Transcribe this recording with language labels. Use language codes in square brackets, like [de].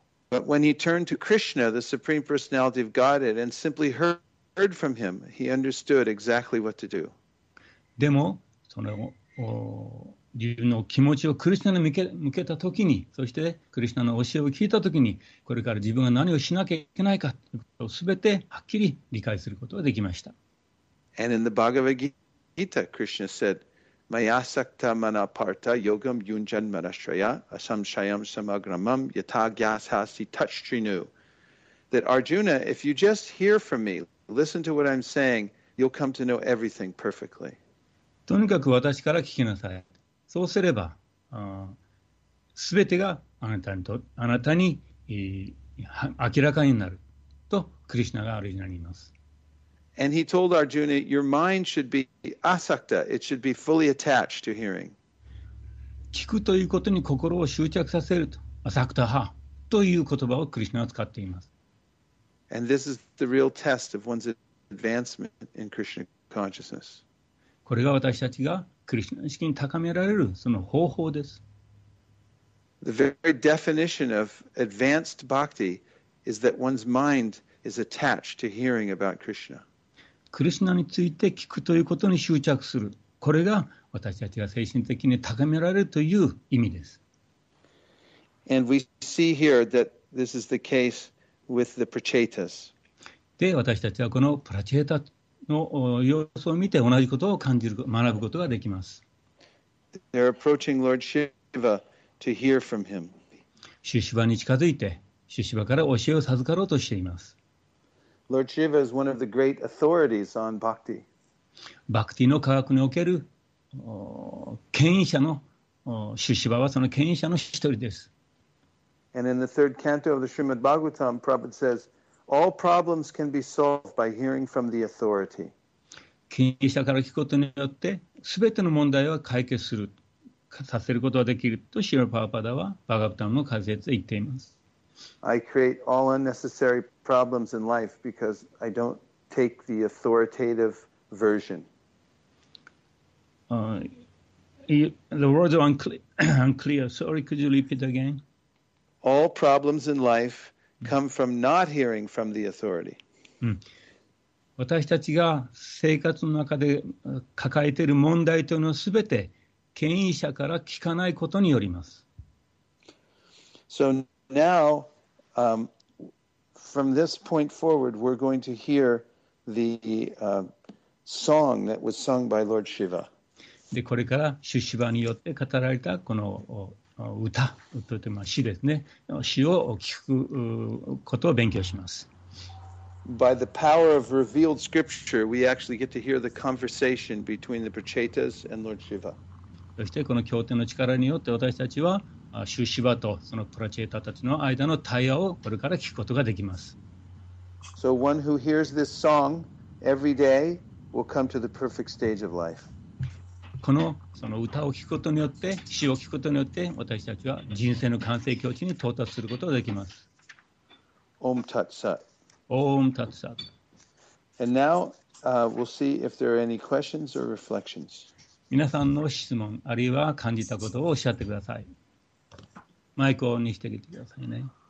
[en] But when he turned to Krishna, the Supreme Personality of Godhead, and simply heard from him, he understood exactly what to do. [ja] でも、その自分の気持ちをクリシナに向けたときに、そしてクリシナの教えを聞いたときに、これから自分が何をしなきゃいけないかということをすべてはっきり理解することができました。 [en] And in the Bhagavad Gita, Krishna said, [sa] Mayasakta mana partha yogam yunjan marashraya asamshayam samagramam yatagyasasi tachtrinu. [en] That Arjuna, if you just hear from me, listen to what I'm saying, you'll come to know everything perfectly. [ja] とにかく私から聞きなさい。そうすれば、すべてがあなたにと、あなたに、明らかになるとクリシナがアルジュナに言います。 [en] And he told Arjuna, your mind should be asakta. It should be fully attached to hearing. [ja] 聞くということに心を執着させると、asakta ha という言葉をクリシナは使っています。 [en] And this is the real test of one's advancement in Krishna consciousness. [ja] これが私たちがクリシナ意識に高められるその方法です。 [en] The very definition of advanced bhakti is that one's mind is attached to hearing about Krishna. [ja] クリシナについて聞くということに執着する。これが私たちが精神的に高められるという意味です。 [en] And we see here that this is the case with the prachetas. [ja] で、私たちはこのプラチェータの様子を見て同じことを感じる、学ぶことができます。 [en] They're approaching Lord Shiva to hear from him. [ja] シュシバに近づいて、シュシバから教えを授かろうとしています。 [en] Lord Shiva is one of the great authorities on bhakti. [ja] Bhakti の科学における権威者の、シュシバはその権威者の一人です。 [en] And in the third canto of the Srimad Bhagavatam, Prabhupada says, all problems can be solved by hearing from the authority. [ja] 権威者から聞くことによって、すべての問題は解決する、させることができると、シュラ・プラブパダはバガブタムの解説で言っています。 [en] I create all unnecessary problems in life because I don't take the authoritative version. The words are unclear. Sorry, could you repeat again? All problems in life come from not hearing from the authority. [ja] 私たちが生活の中で抱えている問題というのはすべて権威者から聞かないことによります。 [en] So now,from this point forward, we're going to hear the song that was sung by Lord Shiva. [ja] で、これからシュシバによって語られたこの歌、というか詩ですね。詩を聞くことを勉強します。 [en] By the power of revealed scripture, we actually get to hear the conversation between the Prachetas and Lord Shiva. [ja] そしてこの経典の力によって私たちはシュシバとそのプラチェータたちの間の対話をこれから聞くことができます。 [en] So one who hears this song every day will come to the perfect stage of life. [ja] このその歌を聞くことによって、詩を聞くことによって、私たちは人生の完成境地に到達することができます。 [sa] Om Tat Sat. Om Tat Sat. [en] And now, we'll see if there are any questions or reflections. [ja] 皆さんの質問あるいは感じたことをおっしゃってください。マイクをオンにしてきてくださいね。